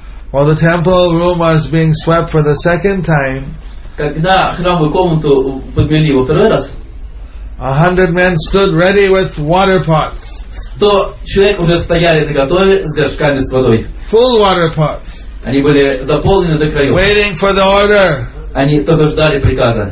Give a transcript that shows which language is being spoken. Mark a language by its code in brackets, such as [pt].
[en] While the temple room was being swept for the second time, [ru] когда храмовую комнату подмели во второй раз, [en] 100 men stood ready with water pots. [ru] 100 человек уже стояли наготове с горшками с водой. [en] Full water pots. [ru] Они были заполнены до краев. [en] Waiting for the order. [ru] Они только ждали приказа.